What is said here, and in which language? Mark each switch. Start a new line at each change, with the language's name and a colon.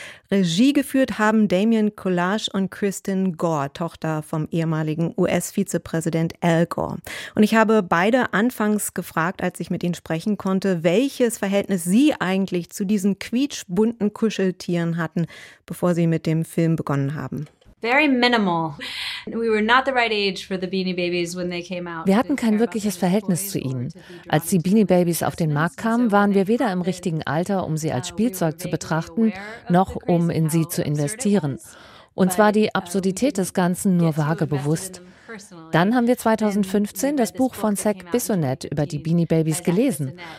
German: Regie geführt haben Damien Collage und Kristen Gore, Tochter vom ehemaligen US-Vizepräsident Al Gore. Und ich habe beide anfangs gefragt, als ich mit ihnen sprechen konnte, welches Verhältnis sie eigentlich zu diesen quietschbunten Kuscheltieren hatten, bevor sie mit dem Film begonnen haben.
English: Very minimal. We were not the right age for the Beanie Babies when they came out.
German: Wir hatten kein wirkliches Verhältnis zu ihnen. Als die Beanie Babies auf den Markt kamen, waren wir weder im richtigen Alter, um sie als Spielzeug zu betrachten, noch um in sie zu investieren. Uns war die Absurdität des Ganzen nur vage bewusst. Dann haben wir 2015 das Buch von Zach Bissonnette über die Beanie Babies gelesen.